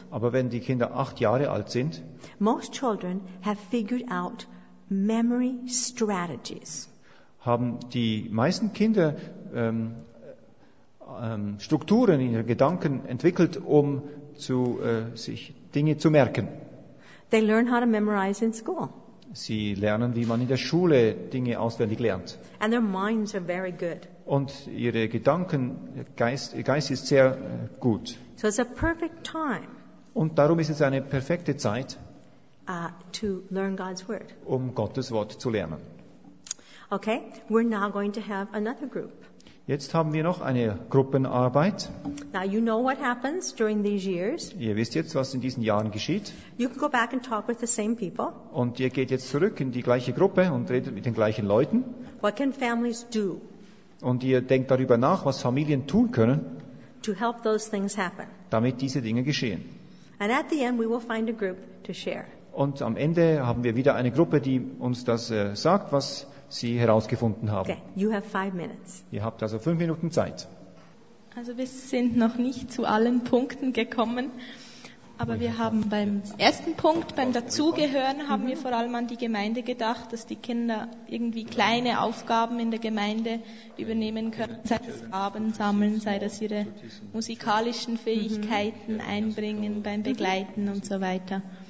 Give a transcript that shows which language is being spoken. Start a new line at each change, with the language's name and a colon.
German: aber wenn die Kinder 8 Jahre alt sind,
English: most children have figured out memory strategies.
German: Haben die meisten Kinder Strukturen in ihren Gedanken entwickelt, um sich Dinge zu merken.
English: They learn how to memorize in school.
German: Sie lernen, wie man in der Schule Dinge auswendig lernt.
English: And their minds are very good.
German: Und ihre Gedanken, Geist ist sehr gut.
English: So it's a perfect time.
German: Und darum ist es eine perfekte Zeit,
English: To learn God's word.
German: Um Gottes Wort zu lernen.
English: Okay, we're now going to have another group.
German: Jetzt haben wir noch eine Gruppenarbeit.
English: Now you know what happens during these years.
German: Ihr wisst jetzt, was in diesen Jahren geschieht.
English: You can go back and talk with the same people.
German: Und ihr geht jetzt zurück in die gleiche Gruppe und redet mit den gleichen Leuten.
English: What can families do?
German: Und ihr denkt darüber nach, was Familien tun können,
English: to help those things happen.
German: Damit diese Dinge geschehen.
English: And at the end we will find a group to share.
German: Und am Ende haben wir wieder eine Gruppe, die uns das sagt, was sie herausgefunden haben.
English: Okay, you have 5 minutes.
German: Ihr habt also 5 Minuten Zeit. Also wir sind noch nicht zu allen Punkten gekommen. Aber wir haben beim ersten Punkt, beim Dazugehören, haben wir vor allem an die Gemeinde gedacht, dass die Kinder irgendwie kleine Aufgaben in der Gemeinde übernehmen können, sei das Gaben sammeln, sei das ihre musikalischen Fähigkeiten einbringen beim Begleiten und so weiter.